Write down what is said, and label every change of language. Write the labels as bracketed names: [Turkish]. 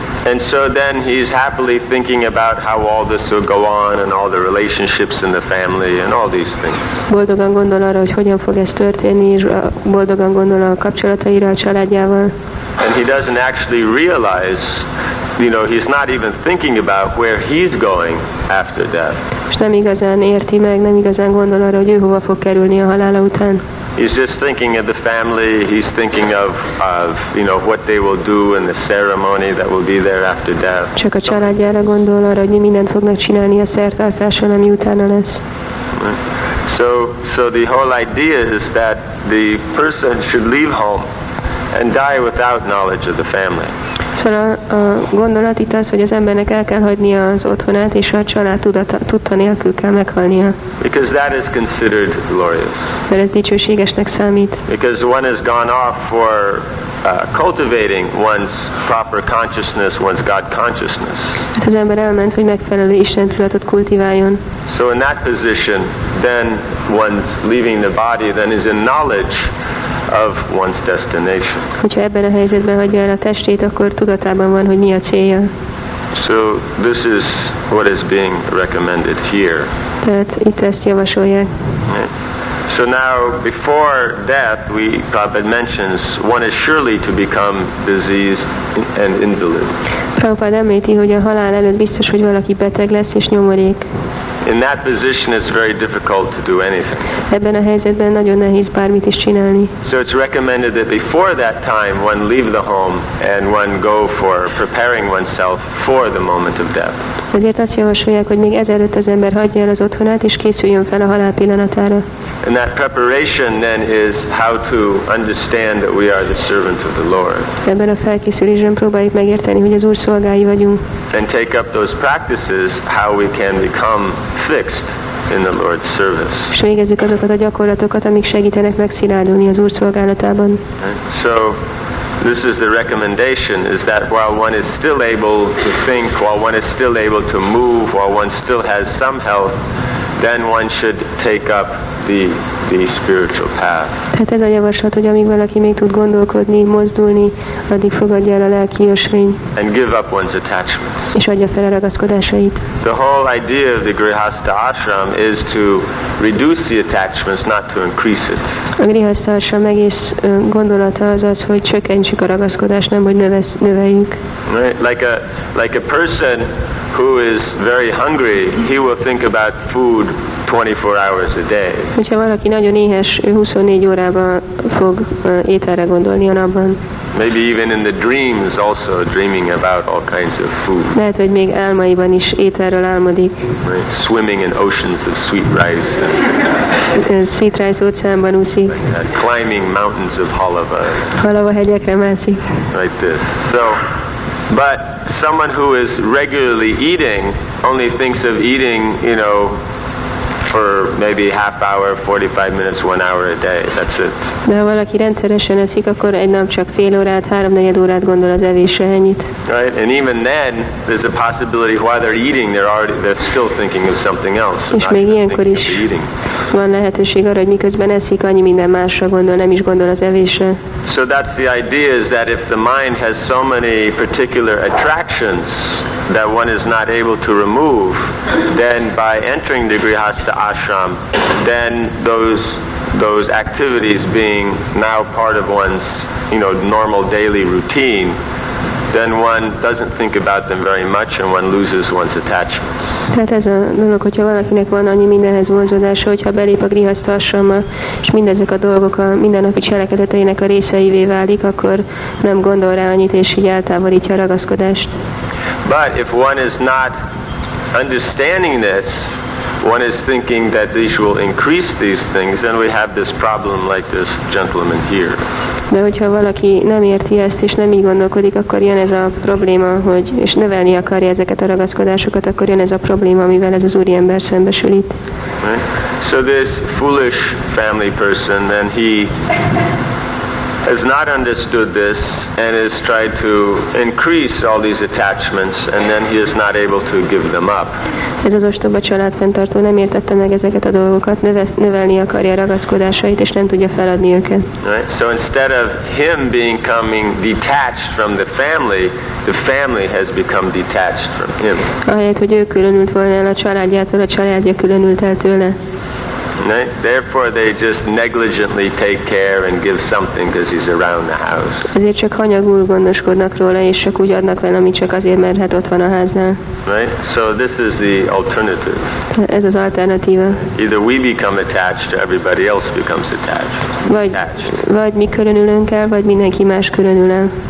[English] And so then he's happily thinking about how all this will go on and all the relationships in the family and all these things. [Hungarian] Boldogan gondol arra, hogy hogyan fog ez történni, és boldogan gondol a kapcsolataira a családjával. [English] And he doesn't actually realize, you know, he's not even thinking about where he's going after death. [Hungarian] És nem igazán érti meg, nem igazán gondol arra, hogy ő hova fog kerülni a halála után. [English] He's just thinking of the family. He's thinking of you know, what they will do and the ceremony that will be there after death. [Hungarian] Csak a családjára gondol arra, hogy mindent fognak csinálni a szertartáson, ami utána lesz. [English] So the whole idea is that the person should leave home and die without knowledge of the family. [Hungarian] Szóval a gondolat itt az, hogy az embernek el kell hagynia az otthonát, és a család tudta nélkül kell meghalnia. [English] Because that is considered glorious. [Hungarian] Mert ez dicsőségesnek számít. [English] Because one has gone off for cultivating one's proper consciousness, one's God consciousness. [Hungarian] Hát az ember elment, hogy megfelelő Isten tudatot kultiváljon. [English] So in that position, then one's leaving the body, then is in knowledge of one's destination. [Hungarian] Hogyha ebben a helyzetben hagyja el a testét, akkor tudatában van, hogy mi a célja. [English] So this is what is being recommended here. [Hungarian] Tehát itt ezt javasolják. [English] So now, before death, we Prabhupada mentions one is surely to become diseased and invalid. [Hungarian] Prabhupada említi, hogy a halál előtt biztos, hogy valaki beteg lesz és nyomorék. [English] In that position, it's very difficult to do anything. [Hungarian] Ebben a helyzetben nagyon nehéz bármit is csinálni. [English] So it's recommended that before that time, one leave the home and one go for preparing oneself for the moment of death. [Hungarian] Ezért azt javasolják, hogy még ezelőtt az ember hagyja el az otthonát és készüljön fel a halál pillanatára. [English] And that preparation then is how to understand that we are the servant of the Lord. [Hungarian] Ebben a felkészülésben próbáljuk megérteni, hogy az Úr szolgái vagyunk. [English] And take up those practices how we can become fixed in the Lord's service. [Hungarian] És végezzük azokat a gyakorlatokat, amik segítenek megszilárdulni az Úr szolgálatában. [English] So this is the recommendation, is that while one is still able to think, while one is still able to move, while one still has some health, then one should take up the spiritual path. [Hungarian] Hát ez a javaslat, hogy amíg valaki még tud gondolkodni, mozdulni, addig fogadja el a lelki ösvényt. [English] And give up one's attachments. [Hungarian] És adja fel a ragaszkodásait. [English] The whole idea of the Grihastha Ashram is to reduce the attachments, not to increase it. [Hungarian] A Grihastha Ashram egész gondolata az az, hogy csökkentsük a ragaszkodást, nem hogy növeljük. [English] Like a person who is very hungry, he will think about food 24 hours a day. [Hungarian] Hogyha valaki nagyon éhes, ő 24 órában fog ételre gondolni a napban. [English] Maybe even in the dreams also dreaming about all kinds of food. [Hungarian] Lehet, hogy még álmaiban is ételről álmodik. [English] Swimming in oceans of sweet rice. [Hungarian] Sweet rice óceánban úszik. [English] Climbing mountains of halava. [Hungarian] Halava hegyekre mászik. [English] Like this. So, but someone who is regularly eating only thinks of eating, you know, for maybe half hour, 45 minutes, 1 hour a day. That's it. [Hungarian] De ha valaki rendszeresen eszik, akkor egy nap csak fél órát, háromnegyed órát gondol az evésre, ennyit. [English] Right, and even then, there's a possibility while they're eating, they're still thinking of something else. [Hungarian] És még ilyenkor is van lehetőség arra, hogy miközben eszik, annyi minden másra gondol, nem is gondol az evésre. [English] So that's the idea, is that if the mind has so many particular attractions that one is not able to remove, then by entering the Grihastha Ashram, then those activities being now part of one's, you know, normal daily routine, then one doesn't think about them very much and one loses one's attachments. [Hungarian] Tehát ez a dolog, hogyha valakinek van annyi mindenhez vonzódása, hogyha belép a Grihastha Ashramba, és mindezek a dolgok a mindennapi cselekedeteinek a részeivé válik, akkor nem gondol rá annyit, és így eltávolítja a ragaszkodást. [English] But if one is not understanding this, one is thinking that these will increase these things, then we have this problem like this gentleman here. [Hungarian] De hogyha valaki nem érti ezt, és nem így gondolkodik, akkor jön ez a probléma, hogy és növelni akarja ezeket a ragaszkodásokat, akkor jön ez a probléma, amivel ez az úriember szembesül itt. [English] So this foolish family person, then he has not understood this and has tried to increase all these attachments, and then he is not able to give them up. [Hungarian] Ez az ostoba családfenntartó nem értette meg ezeket a dolgokat, növelni akarja ragaszkodásait, és nem tudja feladni őket. [English] Right? So instead of him becoming detached from the family has become detached from him. [Hungarian] Ahelyett, hogy ő különült volna el a családjától, a családja különült el tőle. [English] Right? Therefore, they just negligently take care and give something because he's around the house. [Hungarian] Azért csak hanyagul gondoskodnak róla, és csak úgy adnak vele, amit csak azért, mert hát ott van a háznál. [English] Right? So this is the alternative. [Hungarian] Ez az alternatíva. [English] Either we become attached, or everybody else becomes attached. [Hungarian] Vagy mi különülünk el, vagy mindenki más különül el.